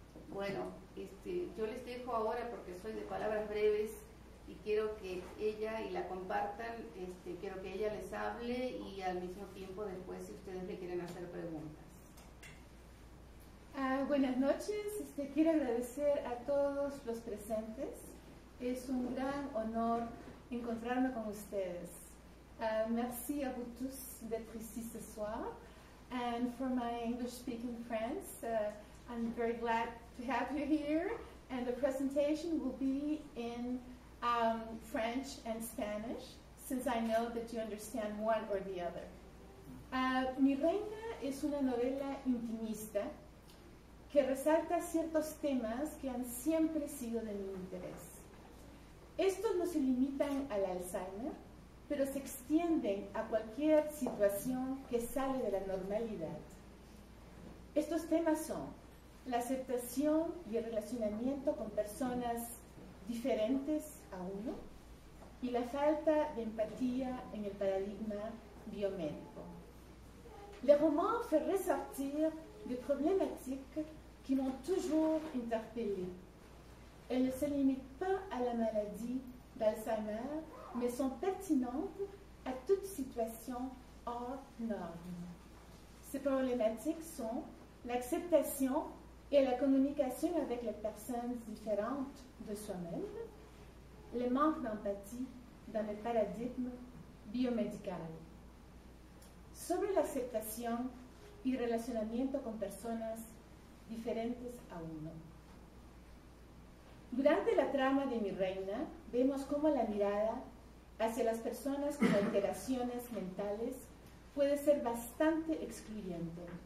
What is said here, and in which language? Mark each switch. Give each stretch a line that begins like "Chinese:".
Spanish: Bueno, yo les dejo ahora, porque soy de palabras breves y quiero que ella y la compartan, quiero que ella les hable y al mismo tiempo después si ustedes le quieren hacer preguntas. Buenas noches, quiero agradecer a todos los presentes. Es un gran honor encontrarme con ustedes.
French: Merci à vous tous d'être ici ce soir.
English: And for my English-speaking friends, I'm very glad to have you here. And the presentation will be in French and Spanish, since I know that you understand one or the other.
Spanish: Mi Reina es una novela intimista que resalta ciertos temas que han siempre sido de mi interés. Estos no se limitan al Alzheimer, pero se extienden a cualquier situación que sale de la normalidad. Estos temas son la aceptación y el relacionamiento con personas diferentes a uno y la falta de empatía en el paradigma biomédico.
French: Le roman fait ressortir des problématiques qui m'ont toujours interpellée. Elles ne se limitent pas à la maladie d'Alzheimer, mais sont pertinentes à toute situation hors norme. Ces problématiques sont l'acceptation et la communication avec les personnes différentes de soi-même, le manque d'empathie dans le paradigme biomédical.
Spanish: Sobre
French: l'acceptation et le
Spanish: relacionamiento con personas diferentes a uno. Durante la trama de Mi Reina, vemos cómo la mirada hacia las personas con alteraciones mentales puede ser bastante excluyente.